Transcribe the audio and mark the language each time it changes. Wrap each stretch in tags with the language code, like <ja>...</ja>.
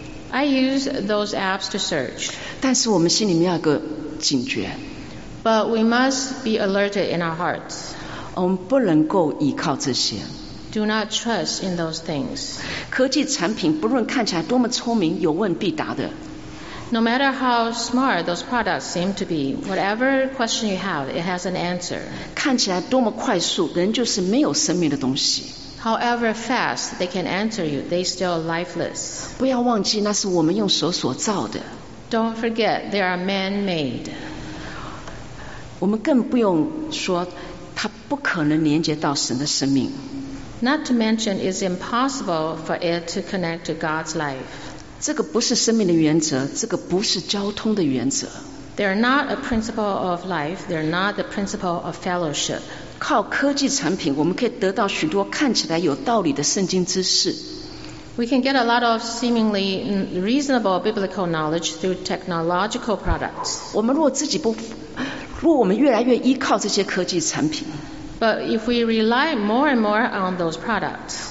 <en>I use those apps to search.</en> <zh>但是我们心里面要有个警觉。</zh> <en>But we must be alerted in our hearts.</en> <zh>我们不能够依靠这些。</zh> <en>Do not trust in those things.</en> <zh>科技产品不论看起来多么聪明，有问必答的。</zh> <en>No matter how smart those products seem to be, whatever question you have, it has an answer.</en> <zh>看起来多么快速，人就是没有生命的东西。</zh> <en>However fast they can answer you, they still are lifeless.</en> <zh>不要忘记，那是我们用手所造的。</zh> <en>Don't forget, they are man-made.</en> <zh>我们更不用说，它不可能连接到神的生命。</zh> <en>Not to mention, it's impossible for it to connect to God's life.</en> <zh>这个不是生命的原则，这个不是交通的原则。</zh> <en>They are not a principle of life. They are not the principle of fellowship.</en> <zh>靠科技产品，我们可以得到许多看起来有道理的圣经知识。</zh> <en>We can get a lot of seemingly reasonable biblical knowledge through technological products.</en> <zh>我们如果我们越来越依靠这些科技产品</zh> <en>，But if we rely more and more on those products,</en>